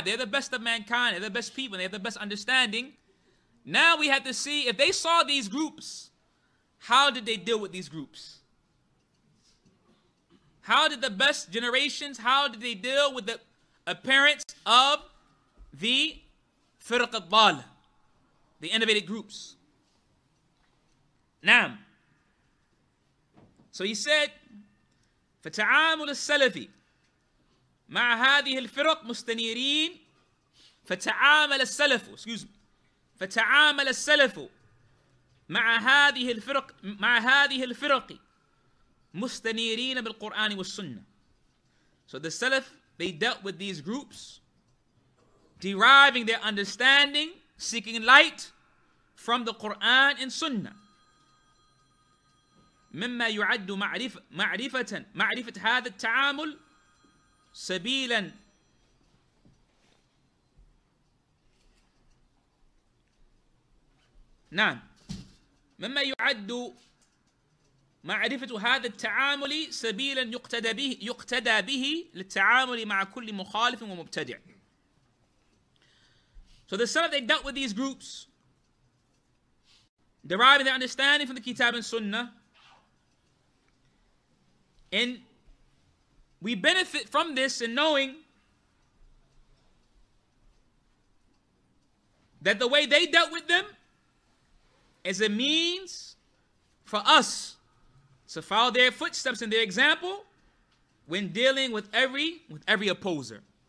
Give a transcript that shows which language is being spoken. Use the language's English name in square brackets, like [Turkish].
[English] They're the best of mankind, they're the best people, they have the best understanding. Now we have to see, if they saw these groups, how did they deal with these groups? How did the best generations, how did they deal with the appearance of the firq al-dhal, the innovative groups? [Arabic] Naam. [English] So he said, [Arabic] فَتَعَامُلُ السَّلَفِ مَعَ هَذِهِ الْفِرَقْ مُسْتَنِيرِينَ فَتَعَامَلَ السَّلَفُ [English] Excuse me. [Arabic] فَتَعَامَلَ السَّلَفُ مَعَ هَذِهِ الْفِرَقِ مُسْتَنِيرِينَ بِالْقُرْآنِ وَالسُّنَّةِ [English] So the Salaf, they dealt with these groups, deriving their understanding, seeking light from the Qur'an and Sunnah. [Arabic] مما يعد معرفة معرفة هذا التعامل سبيلا نعم مما يعد معرفة هذا التعامل سبيلا يقتدى به للتعامل مع كل مخالف ومبتدع. [English] So the Salaf, they dealt with these groups, deriving their understanding from the Kitab and Sunnah. And we benefit from this in knowing that the way they dealt with them is a means for us to follow their footsteps and their example when dealing with every opposer.